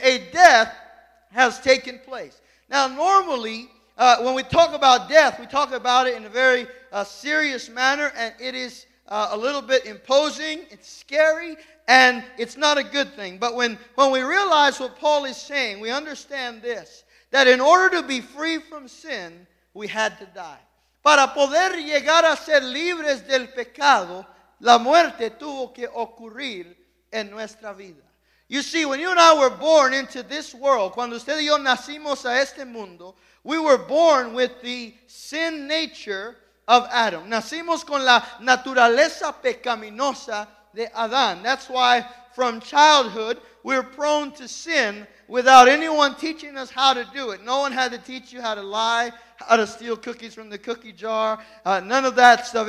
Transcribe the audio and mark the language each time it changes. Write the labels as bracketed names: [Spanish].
[English] A death has taken place. Now, normally, when we talk about death, we talk about it in a very serious manner, and it is a little bit imposing, it's scary, and it's not a good thing. But when we realize what Paul is saying, we understand this, that in order to be free from sin, we had to die. [Spanish] Para poder llegar a ser libres del pecado, la muerte tuvo que ocurrir en nuestra vida. [English] You see, when you and I were born into this world, [Spanish] cuando usted y yo nacimos a este mundo, [English] we were born with the sin nature of Adam. [Spanish] Nacimos con la naturaleza pecaminosa de Adán. [English] That's why from childhood, we're prone to sin without anyone teaching us how to do it. No one had to teach you how to lie, how to steal cookies from the cookie jar, none of that stuff.